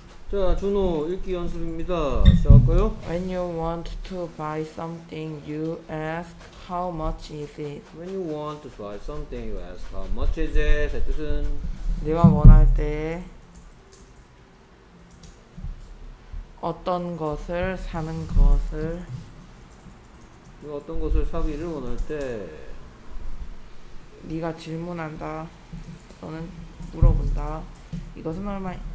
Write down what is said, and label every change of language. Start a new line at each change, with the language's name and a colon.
Korean: 자, 준호 읽기 연습입니다. 시작할까요?
English: When you want to buy something, you ask how much is it? When you want to buy something, you ask how much is it?
Korean: 의 뜻은? 네가 원할 때 어떤 것을 사는 것을 네가 어떤 것을 사기를 원할 때 네가 질문한다 또는 물어본다 이것은 얼마